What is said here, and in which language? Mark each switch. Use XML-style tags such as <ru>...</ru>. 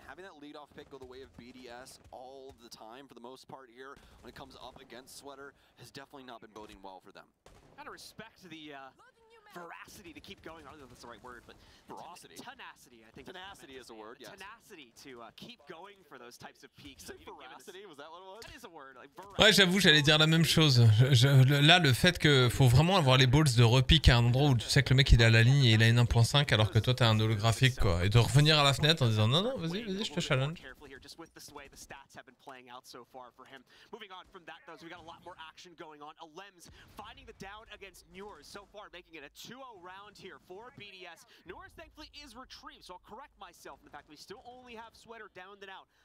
<en>Having that leadoff pick go the way of BDS all the time for the most part here when it comes up against Sweater has definitely not been boding well for them. Kind of respect to the veracity to keep going. I don't know if that's the right word, but veracity. Tenacity, I think. Tenacity is a word, yes. Tenacity to keep going for those types of peaks. Veracity, was that what it was? That is a word. Like, veracity.</en> <fr>Ouais, j'avoue, j'allais dire la même chose. Là, le fait qu'il faut vraiment avoir les balls de repique à un endroit où tu sais que le mec il est à la ligne et il a une 1.5 alors que toi t'as un holographique, quoi. Et de revenir à la fenêtre en disant non, non, vas-y, vas-y, je te challenge.</fr> <en>Just with this way the stats have been playing out so far for him. Moving on from that though, so we got a lot more action going on. Alems finding the down against Nours so far, making it a 2-0 round here for BDS. Nours thankfully is retrieved, so I'll correct myself in the fact that we still only have Sweater downed and out.</en>